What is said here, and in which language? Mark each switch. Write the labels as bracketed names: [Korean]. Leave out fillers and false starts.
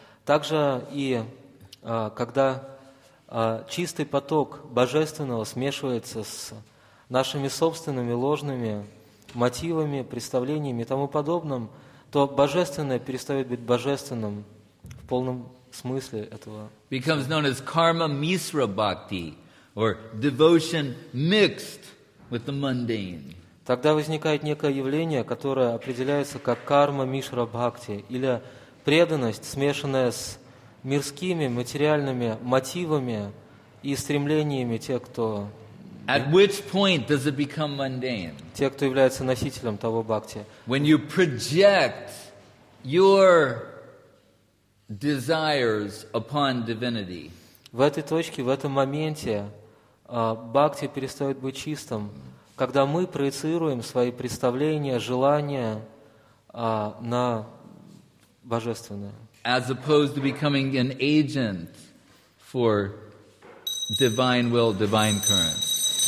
[Russian] Также и когда чистый поток божественного смешивается с нашими собственными ложными мотивами, представлениями и тому подобным, то божественное перестает быть божественным в полном смысле этого. [English] Becomes known as karma misra bhakti, or devotion mixed with the mundane. [Russian] Тогда возникает некое явление, которое определяется как карма мишра бхакти, или преданность, смешанная с мирскими, материальными мотивами и стремлениями тех, кто... [English] At which point does it become mundane? [Russian] Те, кто является носителем того бхакти. [English] When you project your desires upon divinity. [Russian] В этой точке, в этом моменте бхакти перестает быть чистым, когда мы проецируем свои представления, желания на божественное. [English] As opposed to becoming an agent for divine will, divine currents.